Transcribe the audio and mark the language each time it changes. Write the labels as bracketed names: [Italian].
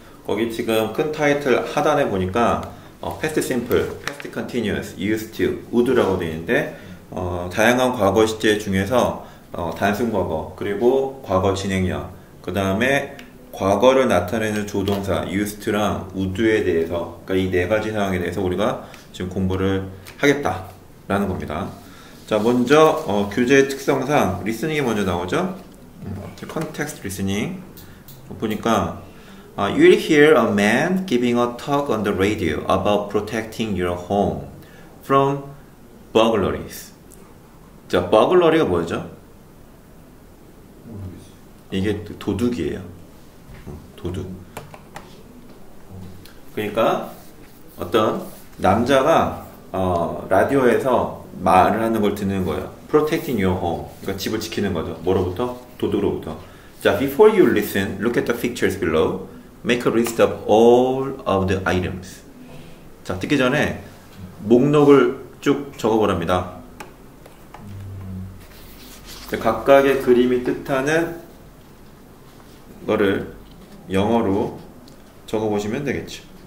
[Korean] 거기 지금 큰 타이틀 하단에 보니까 패스트 심플, 패스트 컨티뉴어스, 유즈드 투, 우드라고 되어 있는데 다양한 과거 시제 중에서 단순 과거, 그리고 과거 진행형, 그 다음에 과거를 나타내는 조동사, 유즈드랑 우드에 대해서, 그러니까 이네 가지 상황에 대해서 우리가 지금 공부를 하겠다라는 겁니다. 자, 먼저 교재 특성상 리스닝이 먼저 나오죠. 컨텍스트 리스닝 보니까 [English] You'll hear a man giving a talk on the radio about protecting your home from burglaries. [Korean] 자, burglary가 뭐죠? 이게 도둑이에요. 도둑. 그러니까 어떤 남자가 라디오에서 말을 하는 걸 듣는 거예요. [English] Protecting your home. [Korean] 그러니까 집을 지키는 거죠. 뭐로부터? 도둑으로부터. 자, [English] before you listen, look at the pictures below. Make a list of all of the items. [Korean] 자, 듣기 전에 목록을 쭉 적어보랍니다. 자, 각각의 그림이 뜻하는 거를 영어로 적어보시면 되겠죠.